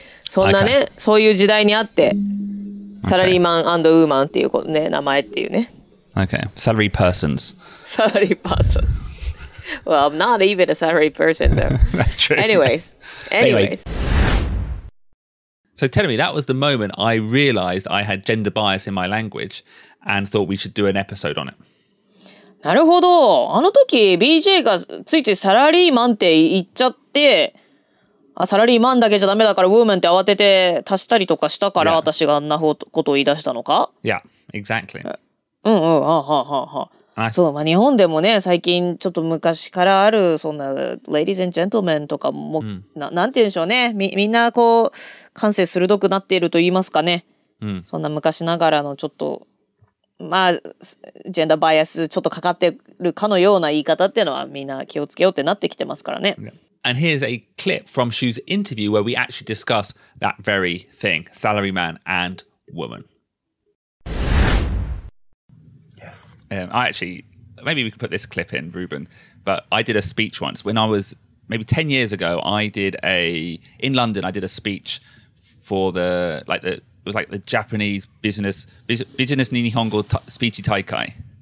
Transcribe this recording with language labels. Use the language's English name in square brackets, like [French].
[Japanese] そんなね、そういう時代にあって、サラリーマン&ウーマンっていうことね、名前っていうね。 [English] Okay, salary persons. Salary persons. Well, I'm not even a salary person, though. That's true. Anyways. So tell me, that was the moment I realized I had gender bias in my language and thought we should do an episode on it. [Japanese] なるほど。あの時 BJ がついついサラリーマンって言っちゃって、あ、サラリーマンだけじゃダメだからウーマンって慌てて足したりとかしたから、yeah. 私があんなことを言い出したのか? [English] Yeah, exactly. [Japanese] そう、まあ、日本でもね、最近ちょっと昔からある、そんな、 [English] ladies and gentlemen [Japanese] とかも、なんて言うんでしょうね。みんなこう、感性鋭くなっていると言いますかね。そんな昔ながらのちょっと、まあ、ジェンダーバイアスちょっとかかってるかのような言い方っていうのは、みんな気をつけようってなってきてますからね。 [English] And here's a clip from Shu's interview where we actually discuss that very thing, salary man and woman. I actually, maybe we could put this clip in, Ruben, but I did a speech once when I was maybe 10 years ago, I did a, in London, I did a speech for the, like the, it was like the Japanese business [Japanese] ni Nihongo speechy taikai.